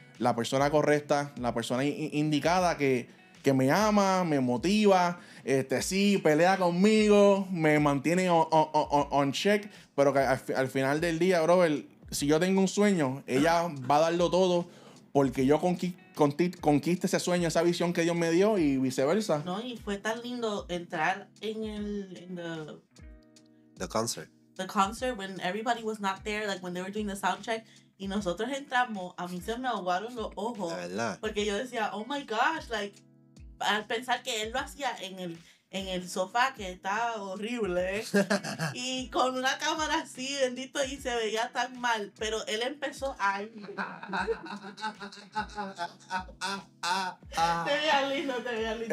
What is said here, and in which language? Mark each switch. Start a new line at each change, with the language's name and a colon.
Spanish: La persona correcta, la persona indicada que me ama, me motiva, sí, pelea conmigo, me mantiene
English: on check,
Spanish: pero que al final del día, brother, si yo tengo un sueño, ella va a darlo todo porque yo conquiste ese sueño, esa visión que Dios me dio y viceversa. No, y fue tan lindo entrar en
English: the concert. The concert, when everybody was not there, like when they were doing the sound check.
Spanish: Y nosotros entramos, a mí se me aguaron los ojos. De verdad. Porque yo decía,
English: oh my gosh, like,
Spanish: al pensar que él lo hacía en el sofá, que estaba horrible, y con una cámara así, bendito, y se veía tan mal. Pero él empezó a... te veía lindo, te veía lindo.